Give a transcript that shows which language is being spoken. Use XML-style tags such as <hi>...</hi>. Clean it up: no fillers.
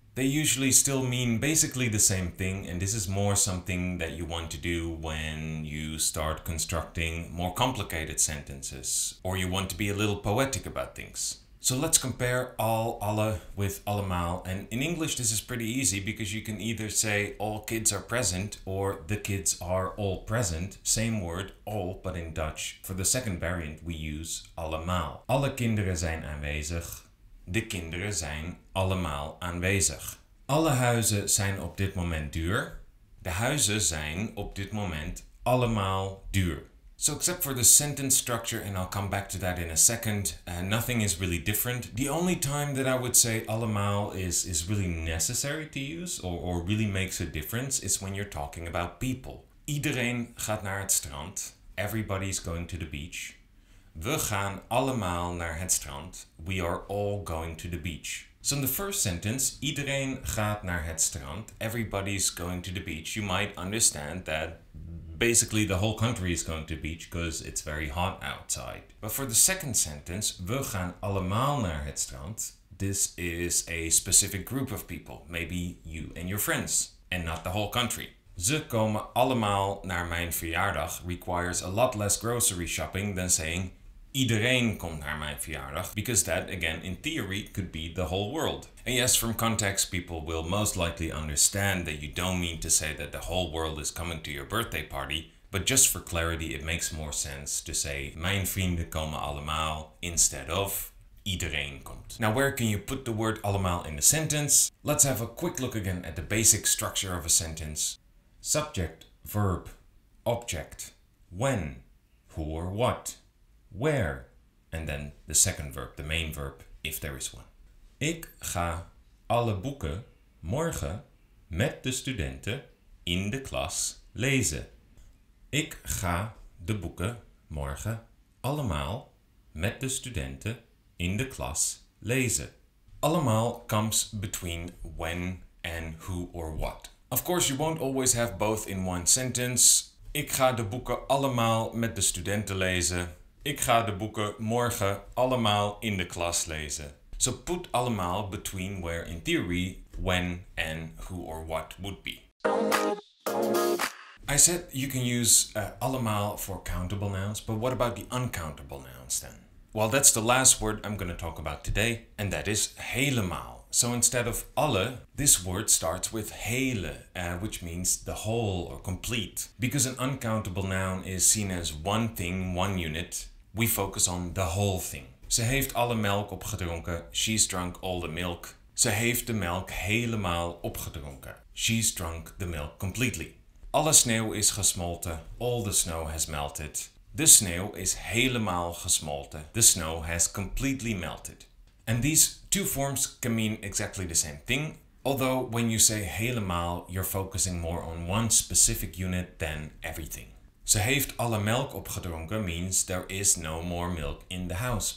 <en>They usually still mean basically the same thing, and this is more something that you want to do when you start constructing more complicated sentences, or you want to be a little poetic about things. So let's compare al, alle with allemaal, and in English this is pretty easy because you can either say all kids are present or the kids are all present, same word, all, but in Dutch. For the second variant we use allemaal.</en> <nl>Alle kinderen zijn aanwezig. De kinderen zijn allemaal aanwezig. Alle huizen zijn op dit moment duur. De huizen zijn op dit moment allemaal duur.</nl> <en>So except for the sentence structure, and I'll come back to that in a second, nothing is really different. The only time that I would say allemaal is really necessary to use or really makes a difference is when you're talking about people.</en> <nl>Iedereen gaat naar het strand.</nl> <en>Everybody's going to the beach.</en> <nl>We gaan allemaal naar het strand.</nl> <en>We are all going to the beach. So in the first sentence,</en> <nl>iedereen gaat naar het strand.</nl> <en>Everybody's going to the beach. You might understand that basically the whole country is going to the beach because it's very hot outside. But for the second sentence,</en> <nl>we gaan allemaal naar het strand.</nl> <en>This is a specific group of people. Maybe you and your friends and not the whole country.</en> <nl>Ze komen allemaal naar mijn verjaardag</nl> <en>requires a lot less grocery shopping than saying</en> <nl>iedereen komt naar mijn verjaardag,</nl> <en>because that, again, in theory, could be the whole world. And yes, from context, people will most likely understand that you don't mean to say that the whole world is coming to your birthday party, but just for clarity, it makes more sense to say</en> <nl>mijn vrienden komen allemaal</nl> <en>instead of</en> <nl>iedereen komt.</nl> <en>Now, where can you put the word allemaal in a sentence? Let's have a quick look again at the basic structure of a sentence. Subject, verb, object, when, who or what, where, and then the second verb, the main verb, if there is one.</en> <nl>Ik ga alle boeken morgen met de studenten in de klas lezen. Ik ga de boeken morgen allemaal met de studenten in de klas lezen.</nl> <en>Allemaal comes between when and who or what. Of course, you won't always have both in one sentence.</en> <nl>Ik ga de boeken allemaal met de studenten lezen. Ik ga de boeken morgen allemaal in de klas lezen.</nl> <en>So put allemaal between where, in theory, when and who or what would be. I said you can use allemaal for countable nouns, but what about the uncountable nouns then? Well, that's the last word I'm going to talk about today, and that is helemaal. So instead of alle, this word starts with hele, which means the whole or complete. Because an uncountable noun is seen as one thing, one unit, we focus on the whole thing.</en> <nl>Ze heeft alle melk opgedronken.</nl> <en>She's drunk all the milk.</en> <nl>Ze heeft de melk helemaal opgedronken.</nl> <en>She's drunk the milk completely.</en> <nl>Alle sneeuw is gesmolten.</nl> <en>All the snow has melted.</en> <nl>De sneeuw is helemaal gesmolten.</nl> <en>The snow has completely melted. And these two forms can mean exactly the same thing, although when you say helemaal, you're focusing more on one specific unit than everything.</en> <nl>Ze heeft alle melk opgedronken</nl> <en>means there is no more milk in the house.</en>